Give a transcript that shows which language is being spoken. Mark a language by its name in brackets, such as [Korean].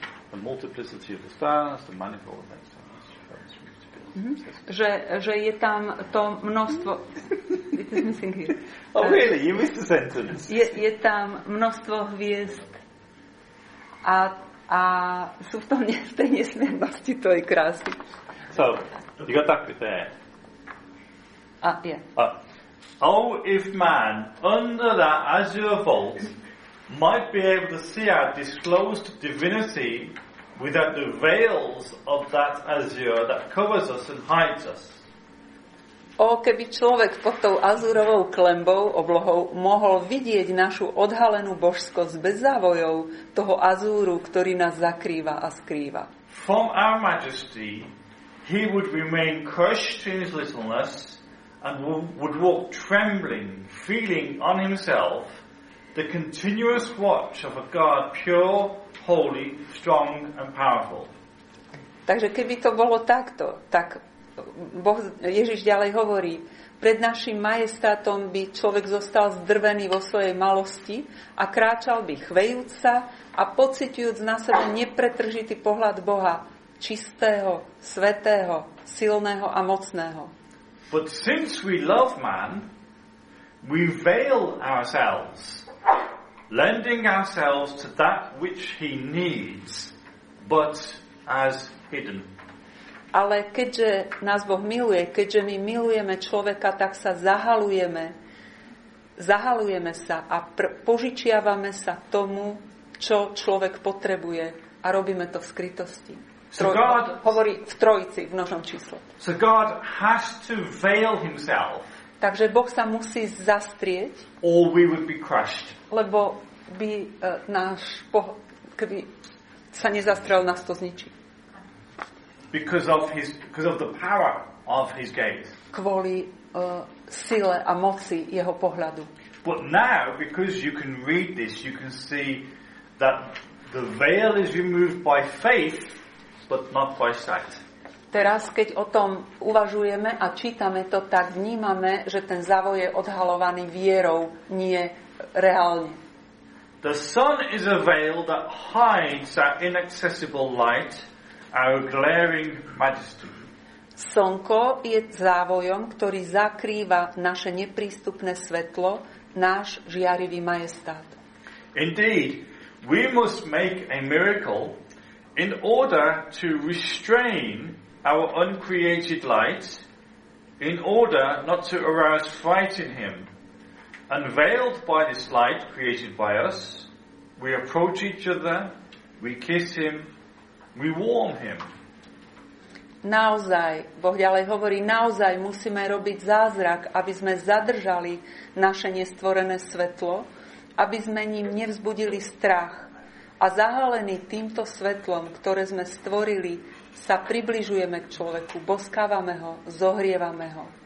[English] The multiplicity of the stars, the manifold effects. [Slovak] Že je tam to množstvo. [English] It is missing here. Oh really? You missed the sentence. [Slovak] Je tam množstvo hviezd a sú v tom tej nesmiernosti tej krásy. [English] So, you got that bit there. Yeah. Oh, if man under that azure vault might be able to see our disclosed divinity without the veils of that azure that covers us and hides us. [Slovak] O, keby človek pod tou azurovou klembou, oblohou, mohol vidieť našu odhalenú božskosť bez závojov toho azúru, ktorý nás zakrýva a skrýva. [English] From our majesty, he would remain crushed in his littleness and would walk trembling, feeling on himself the continuous watch of a God pure, holy, strong and powerful. [Slovak] Takže keby to bolo takto, tak Boh, Ježiš ďalej hovorí, pred našim majestátom by človek zostal zdrvený vo svojej malosti a kráčal by chvejúc sa a pociťujúc na sebe nepretržitý pohľad Boha, čistého, svätého, silného a mocného. [English] But since we love man, we veil ourselves, lending ourselves to that which he needs, but as hidden. [Slovak] Ale keďže nás Boh miluje, keďže my milujeme človeka, tak sa zahalujeme, zahalujeme sa a požičiavame sa tomu, čo človek potrebuje a robíme to v skrytosti. Hovorí v trojici, v množnom čísle. [English] So God has to veil himself. [Slovak] Takže Boh sa musí zastrieť. [English] Or we would be crushed. [Slovak] Lebo by náš Boh, keby sa nezastrel, nás to zničí. [English] Because of the power of his gaze. [Slovak] Kvôli sile a moci jeho pohľadu. [English] But now, because you can read this, you can see that the veil is removed by faith, but not by sight. [Slovak] Teraz, keď o tom uvažujeme a čítame to, tak vnímame, že ten závoj je odhalovaný vierou, nie reálne. [English] The sun is a veil that hides our inaccessible light, our glaring majesty. [Slovak] Slnko je závojom, ktorý zakrýva naše neprístupné svetlo, náš žiarivý majestát. [English] Indeed, we must make a miracle in order to restrain our uncreated light, in order not to arouse fright in him. Unveiled by this light created by us, we approach each other, we kiss him, we warm him. [Slovak] Naozaj, Boh ďalej hovorí, naozaj musíme robiť zázrak, aby sme zadržali naše nestvorené svetlo, aby sme ním nevzbudili strach. A zahalený týmto svetlom, ktoré sme stvorili, sa približujeme k človeku, boskávame ho, zohrievame ho.